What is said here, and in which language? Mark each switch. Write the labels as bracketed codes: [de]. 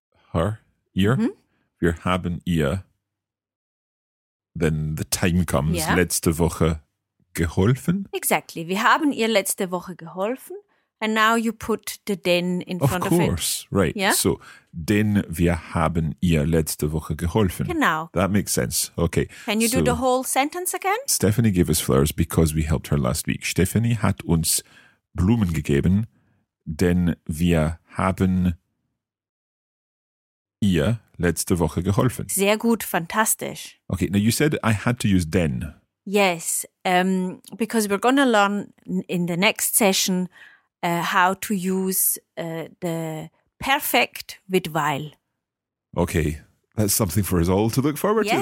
[de] Her, ihr, wir haben ihr, [en] then the time comes, [de] letzte Woche geholfen. [en] Exactly. [de] Wir haben ihr letzte Woche geholfen. [en] And now you put the den in front of it. Of course, right. Yeah? [de] So, den wir haben ihr letzte Woche geholfen. Genau. [en] That makes sense. Okay. Can you do the whole sentence again? Stephanie gave us flowers because we helped her last week. [de] Stephanie hat uns Blumen gegeben, denn wir haben ihr letzte Woche geholfen. Sehr gut, fantastisch. [en] Okay, now you said I had to use den. Yes, because we're going to learn in the next session how to use the perfect with while. Okay, that's something for us all to look forward to then.